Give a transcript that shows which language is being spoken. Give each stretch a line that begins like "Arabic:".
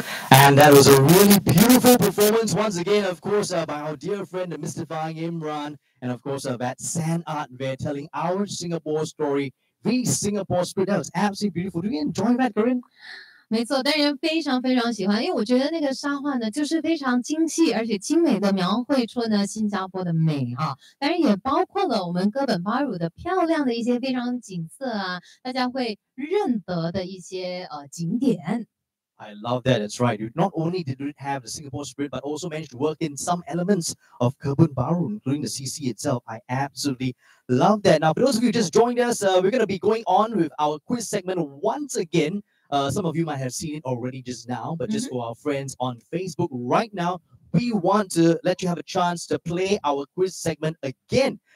English: And that was a really beautiful performance once again, of course, by our dear friend, Mystifying Imran, and of course, that San Art Bear telling our Singapore story, the Singapore spirit. That was absolutely beautiful. Do you enjoy that, Corinne?
Chinese: 没错, 当然非常非常喜欢, 因为我觉得那个沙画呢, 就是非常精细, 而且精美地描绘出呢, 新加坡的美, 啊, 当然也包括了我们哥本巴鲁的漂亮的一些, 非常景色啊, 大家会认得的一些, 景点。
English: I love that, that's right. Not only did it have the Singapore spirit, but also managed to work in some elements of Kebun Baru, including the CC itself. I absolutely love that. Now, for those of you who just joined us, we're going to be going on with our quiz segment once again. Some of you might have seen it already just now, but just for our friends on Facebook right now, we want to let you have a chance to play our quiz segment again.